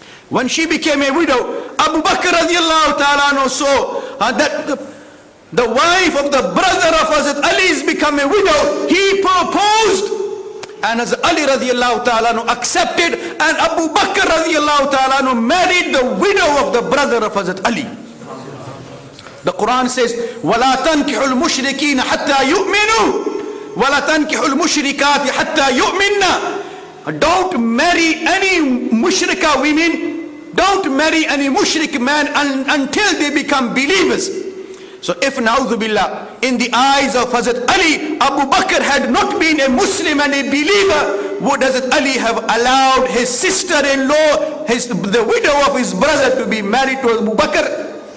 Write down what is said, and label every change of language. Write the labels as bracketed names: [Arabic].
[English] When she became a widow, Abu Bakr radiallahu ta'ala anha saw that the wife of the brother of Hazrat Ali has become a widow. He proposed, and Hazrat Ali radiallahu ta'ala anha accepted, and Abu Bakr radiallahu ta'ala anha married the widow of the brother of Hazrat Ali. The Quran says, [Arabic] وَلَا تَنْكِحُ الْمُشْرِكِينَ حَتَّى يُؤْمِنُوا وَلَا تَنْكِحُ الْمُشْرِكَاتِ حَتَّى يُؤْمِنَّ. [English] Don't marry any mushrika women. Don't marry any mushrik man until they become believers. So if na'udhu billah, in the eyes of Hazrat Ali, Abu Bakr had not been a Muslim and a believer, would Hazrat Ali have allowed his sister-in-law, the widow of his brother, to be married to Abu Bakr?